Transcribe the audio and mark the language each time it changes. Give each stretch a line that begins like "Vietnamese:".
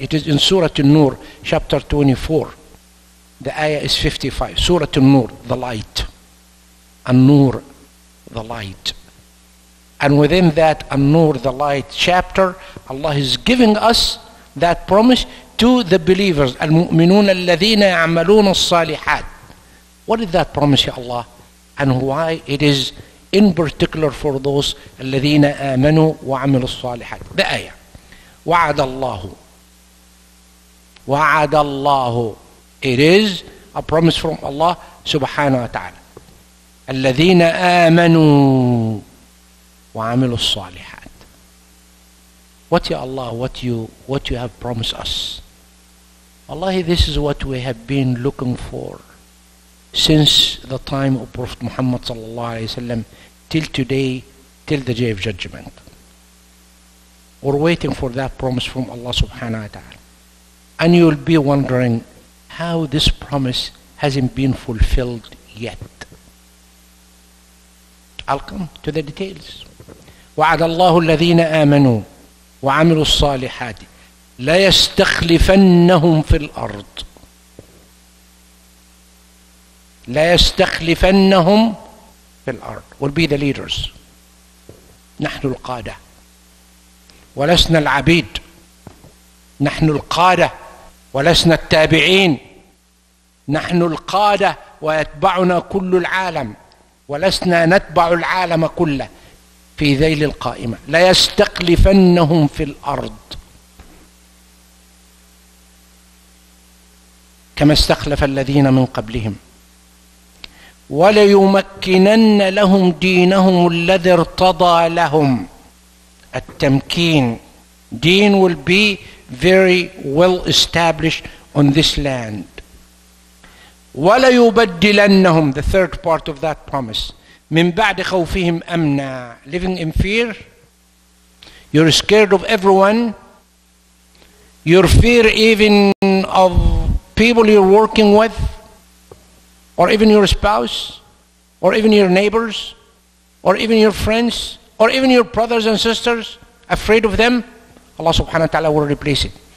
English: It is in Surah An-Nur, chapter 24. The ayah is 55. Surah An-Nur, the light. An-Nur, the light. And within that An-Nur, the light chapter, Allah is giving us that promise to the believers.
Arabic: المؤمنون الذين يعملون الصالحات.
English: What is that promise, ya Allah? And why it is in particular for those
Arabic: الذين آمنوا وعملوا الصالحات.
English: The ayah.
Arabic: وعد الله. وعد الله.
English: It is a promise from Allah subhanahu wa ta'ala.
Arabic: الذين آمنوا وعملوا الصالحات.
English: What, ya Allah, what you have promised us? Wallahi, this is what we have been looking for since the time of Prophet Muhammad sallallahu alayhi wa sallam till today, till the day of judgment. We're waiting for that promise from Allah subhanahu wa ta'ala. And you'll be wondering how this promise hasn't been fulfilled yet. I'll come to the details.
Arabic: وَعَدَ اللَّهُ الَّذِينَ آمَنُوا وَعَمِلُوا الصَّالِحَاتِ لا يستخلفنهم في الأرض. لا يستخلفنهم في الأرض.
English: We'll be the leaders.
Arabic: نحن القادة. ولسنا العبيد. نحن القادة ولسنا التابعين. نحن القادة ويتبعنا كل العالم. ولسنا نتبع العالم كله في ذيل القائمة. لا يستخلفنهم في الأرض. كما استخلف الذين من قبلهم وليمكنن لهم دينهم الذي ارتضى لهم. التمكين.
English: دين will be very well established on this land.
Arabic: وليبدلنهم,
English: the third part of that promise,
Arabic: من بعد خوفهم أمنا.
English: Living in fear, you're scared of everyone, your fear even of people you're working with, or even your spouse, or even your neighbors, or even your friends, or even your brothers and sisters, afraid of them, Allah subhanahu wa ta'ala will replace it.